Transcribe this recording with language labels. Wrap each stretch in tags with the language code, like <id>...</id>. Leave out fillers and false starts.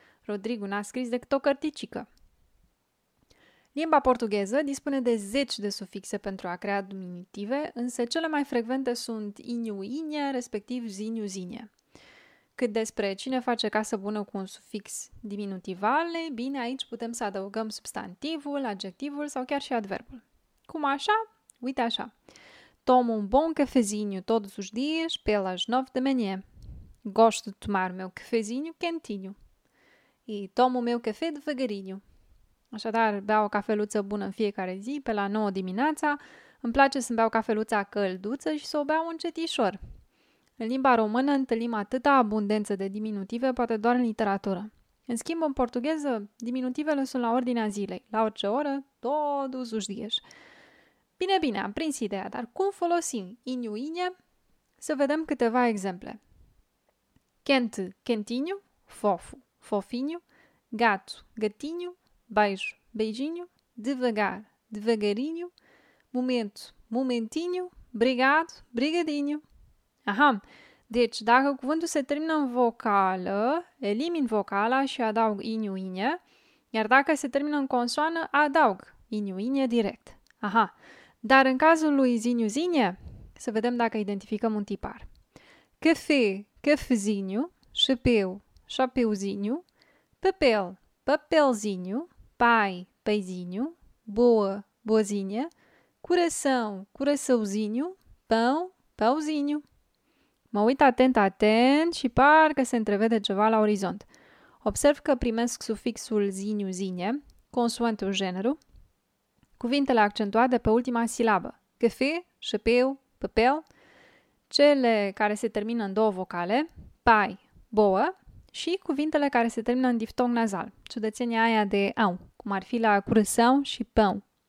<ro>Rodrigo n-a scris decât o cărticică. Limba portugheză dispune de 10 de sufixe pentru a crea diminutive, însă cele mai frecvente sunt inhu-inhe, respectiv zinhu-zinhe. Cât despre cine face casă bună cu un sufix diminutival, bine, aici putem să adăugăm substantivul, adjectivul sau chiar și adverbul. Cum așa? Uite așa.</ro> <pt>Tomo un bom cafezinho todos os dias pelas 9 de manhã. Gosto de tomar meu cafezinho quentinho. E tomo meu café devagarinho.</pt> <ro>Așadar, beau o cafeluță bună în fiecare zi, pe la 9 dimineața. Îmi place să-mi beau cafeluța călduță și să o beau încetişor. În limba română întâlnim atâta abundență de diminutive, poate doar în literatură. În schimb, în portugheză, diminutivele sunt la ordinea zilei, la orice oră,</ro> <pt>todos os dias.</pt> <ro>Bine, bine, am prins ideea, dar cum folosim inhu-inhe? Să vedem câteva exemple.</ro> <pt>Quente, quentinho, fofo, fofinho, gato, gatinho, beijo, beijinho, devagar, devagarinho, momento, momentinho, obrigado, brigadinho.</pt> <ro>Aha, deci dacă cuvântul se termină în vocală, elimin vocala și adaug inhu-inhe, iar dacă se termină în consoană, adaug inhu-inhe direct. Aha, dar în cazul lui zinhu-zinhe, să vedem dacă identificăm un tipar.</ro> <pt>Café, cafezinho, chapéu, chapéuzinho, papel, papelzinho, pai, peizinho, boa, boazinha, coração, coraçãozinho, pão, pãozinho.</pt> <ro>Mă uit atent, atent și parcă se întrevede ceva la orizont. Observ că primesc sufixul zinhu-zinhe, consoantul genero, cuvintele accentuate pe ultima silabă. Café, chapéu, papel, cele care se termină în două vocale, pai, boa, și cuvintele care se termină în diftong nazal, ciudățenia aia de au, cum ar fi la curăsău și pău.</ro>